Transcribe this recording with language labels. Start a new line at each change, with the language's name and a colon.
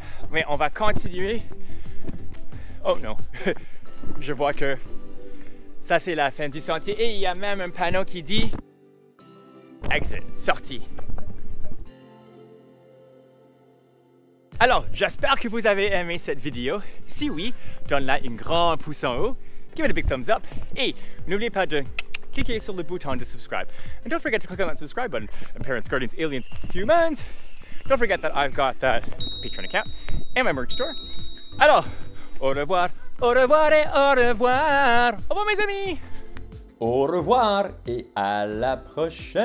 French: Mais on va continuer. Oh non, je vois que ça, c'est la fin du sentier et il y a même un panneau qui dit exit, sortie. Alors, j'espère que vous avez aimé cette vidéo. Si oui, donne-la un grand pouce en haut,
English: give it a big thumbs up,
French: et n'oubliez pas de cliquer sur le bouton de subscribe.
English: And don't forget to click on that subscribe button. Parents, guardians, aliens, humans. Don't forget that I've got that Patreon account and my merch store.
French: Alors, au revoir et au revoir. Au revoir, mes amis. Au revoir et à la prochaine.